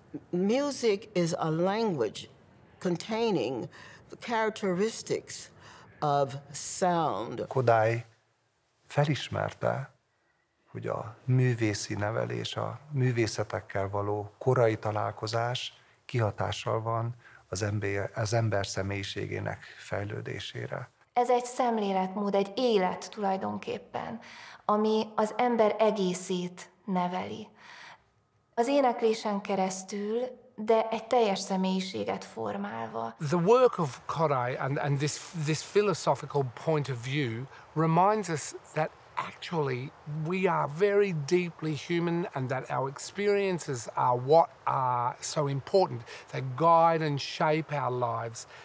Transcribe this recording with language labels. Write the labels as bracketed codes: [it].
[en] Music is a language containing the characteristics of sound. [hu] Kodály felismerte, hogy a művészi nevelés, a művészetekkel való korai találkozás kihatással van az ember személyiségének fejlődésére. Ez egy szemléletmód, egy élet tulajdonképpen, ami az ember egészét neveli. Az éneklésen keresztül, de egy teljes személyiséget formálva. [en] The work of Kodály and this philosophical point of view reminds us that actually we are very deeply human and that our experiences are what are so important, that guide and shape our lives.